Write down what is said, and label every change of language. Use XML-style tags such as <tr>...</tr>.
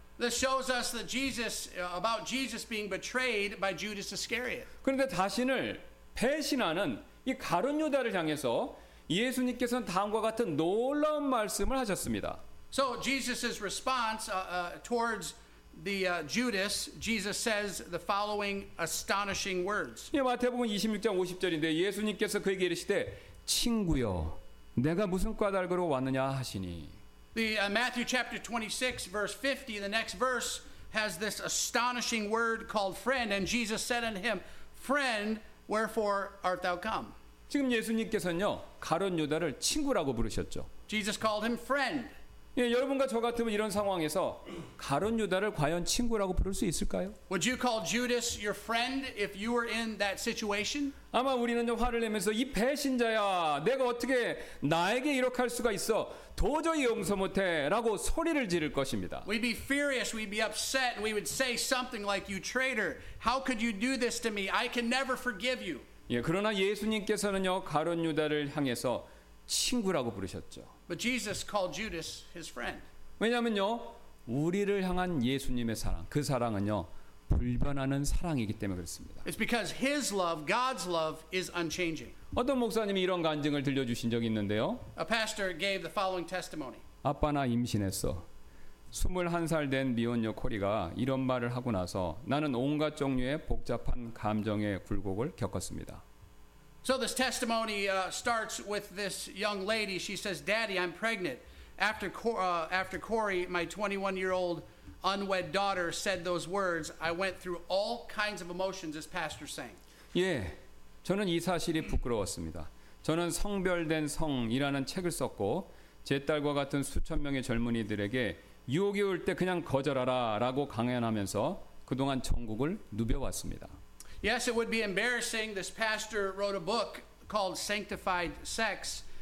<en>This shows us that about Jesus being betrayed by Judas Iscariot.</en> <ko>그런데 다신을 배신하는 이 가룟 유대를 향해서 예수님께서는 다음과 같은 놀라운 말씀을 하셨습니다.</ko> <en>So Jesus' response towards the Judas, Jesus says the following astonishing words.</en> <ko>예, 마태복음 26장 50절인데 예수님께서 그에게 이르시되 친구여 내가 무슨 까닭으로 왔느냐 하시니.</ko> <en>The Matthew chapter 26 verse 50, the next verse has this astonishing word called friend, and Jesus said unto him, friend, wherefore art thou come?</en> <ko>지금 예수님께서는요, 가룟 유다를 친구라고 부르셨죠.</ko> <en>Jesus called him friend.</en> <ko>예, 여러분과 저 같으면 이런 상황에서 가룟 유다를 과연 친구라고 부를 수 있을까요?</ko> <en>Would you call Judas your friend if you were in that situation?</en> <ko>아마 우리는 화를 내면서 이 배신자야, 내가 어떻게 나에게 이렇게 할 수가 있어? 도저히 용서 못해 라고 소리를 지를 것입니다.</ko> <en>We'd be furious, we'd be upset, and we would say something like, you traitor, how could you do this to me? I can never forgive you.</en> <ko>예, 그러나 예수님께서는요, 가룟 유다를 향해서 친구라고 부르셨죠.</ko> <en>But Jesus called Judas his friend.</en> <ko>왜냐면요, 우리를 향한 예수님의 사랑, 그 사랑은요, 불변하는 사랑이기 때문에 그렇습니다.</ko> <en>It's because his love, God's love is unchanging.</en> <ko>어떤 목사님이 이런 간증을 들려주신 적이 있는데요.</ko> <en>A pastor gave the following testimony.</en> <ko>아빠 나 임신했어. 21살 된 미혼녀 코리가 이런 말을 하고 나서 나는 온갖 종류의 복잡한 감정의 굴곡을 겪었습니다.</ko> <en>So this testimony starts with this young lady. She says, Daddy, I'm pregnant. After Corey, my 21-year-old unwed daughter said those words, I went through all kinds of emotions, this pastor saying.</en> <ko>예, 저는 이 사실이 부끄러웠습니다. 저는 성별된 성이라는 책을 썼고 제 딸과 같은 수천 명의 젊은이들에게 유혹이 올 때 그냥 거절하라 라고 강연하면서 그동안 전국을 누벼왔습니다.</ko> <en>Yes, it would be embarrassing. This pastor wrote a book called Sanctified Sex.</en>